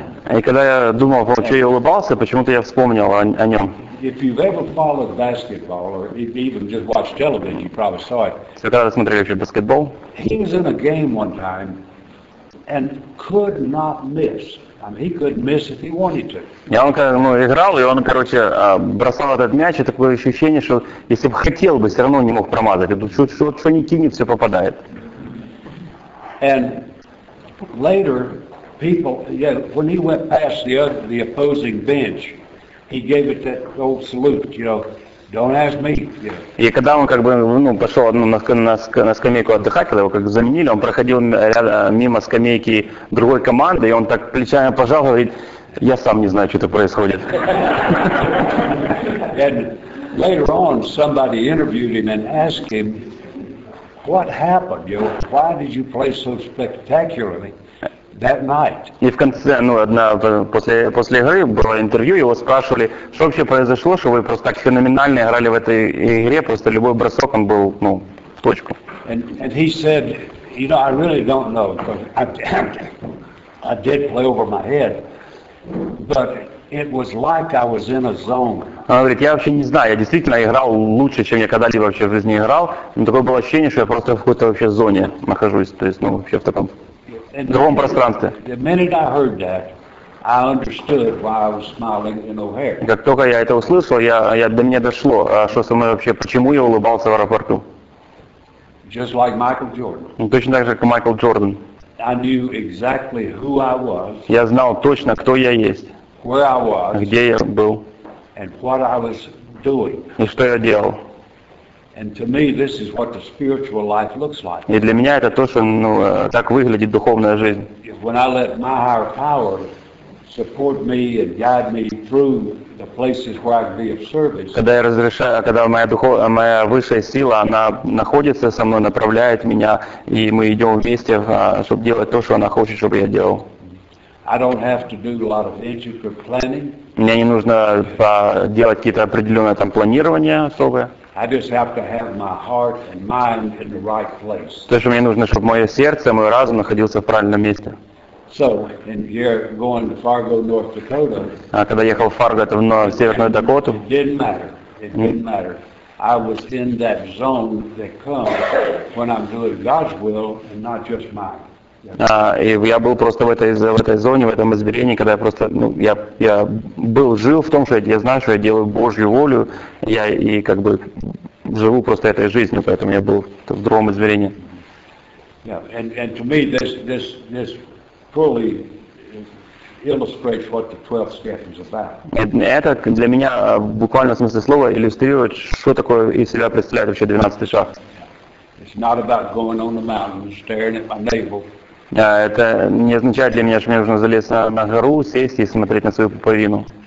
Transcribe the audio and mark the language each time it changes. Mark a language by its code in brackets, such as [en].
[ru] И когда я думал, что я улыбался, почему-то я вспомнил о нем. [en] If you've ever followed basketball or even just watched television, you probably saw it. [ru] Все когда смотрели вообще баскетбол? [en] He was in a game one time and could not miss. I mean, he could miss if he wanted to. [ru] Я он играл, и он, короче, бросал этот мяч, и такое ощущение, что если бы хотел бы, все равно не мог промазать. Что не кинет, все попадает. [en] And later people, yeah, when he went past the opposing bench, he gave it that old salute, you know, don't ask me. [ru] И когда он пошел на скамейку отдыхать, когда его заменили, он проходил мимо скамейки другой команды, и он так плечами пожал, говорит, я сам не знаю, что-то происходит. [en] And later on, somebody interviewed him and asked him, what happened, you know, why did you play so spectacularly? That night. [ru] И в конце, после игры было интервью, его спрашивали, что вообще произошло, что вы просто так феноменально играли в этой игре, просто любой бросок он был, в точку. [en] And he said, you know, I really don't know, because I did play over my head, but it was like I was in a zone. [ru] Он говорит, я вообще не знаю, я действительно играл лучше, чем я когда-либо вообще в жизни играл, но такое было ощущение, что я просто в какой-то вообще зоне нахожусь, то есть, вообще в таком... В другом пространстве. [en] The minute I heard that, I understood why I was smiling in O'Hare. [ru] Как только я это услышал, я до меня дошло, что со мной вообще, почему я улыбался в аэропорту. [en] Just like Michael Jordan. [ru] Точно так же, как Майкл Джордан. [en] I knew exactly who I was. [ru] Я знал точно, кто я есть. [en] Where I was. [ru] Где я был. [en] And what I was doing. [ru] И что я делал. [en] And to me, this is what the spiritual life looks like. [ru] И для меня это то, что так выглядит духовная жизнь. [en] When I let my higher power support me and guide me through the places where I can be of service. [ru] Когда я разрешаю, когда моя высшая сила, она находится со мной, направляет меня, и мы идем вместе, чтобы делать то, что она хочет, чтобы я делал. [en] I don't have to do a lot of intricate planning. [ru] Мне не нужно делать какие-то определенные планирования особые. [en] I just have to have my heart and mind in the right place. [ru] То, что мне нужно, чтобы мое сердце, мой разум находился в правильном месте. [en] So, and you're going to Fargo, North Dakota. [ru] А когда ехал в Фарго, это в Северную Дакоту. [en] It didn't matter. It didn't matter. I was in that zone that comes when I'm doing God's will and not just mine. [ru] И я был просто в этой зоне, в этом измерении, когда я просто, я был, жил в том, что я знаю, что я делаю Божью волю, я и живу просто этой жизнью, поэтому я был в другом измерении. [en] Yeah, and to me this fully illustrates what the 12th step is about. [ru] Это для меня в буквальном смысле слова иллюстрирует, что такое из себя представляет вообще 12-й шаг. [en] It's not about going on the mountain and staring at my navel. [ru] Это не означает для меня, что мне нужно залезть на гору, сесть и смотреть на свою пуповину.